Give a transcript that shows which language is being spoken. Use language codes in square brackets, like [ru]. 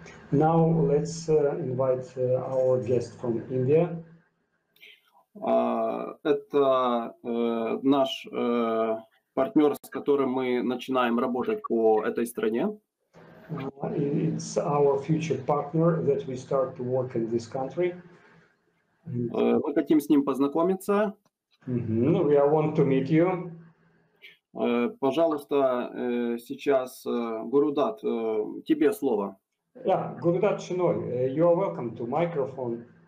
[en] Now let's invite our guest from India. [ru] Это наш партнер, с которым мы начинаем работать по этой стране. [en] It's our future partner that we start to work in this country. [ru] Мы хотим с ним познакомиться. [en] We want to meet you. [ru] Пожалуйста, сейчас Гурудат, тебе слово. [en] Yeah, Gurudat Chinoy, you are welcome to microphone.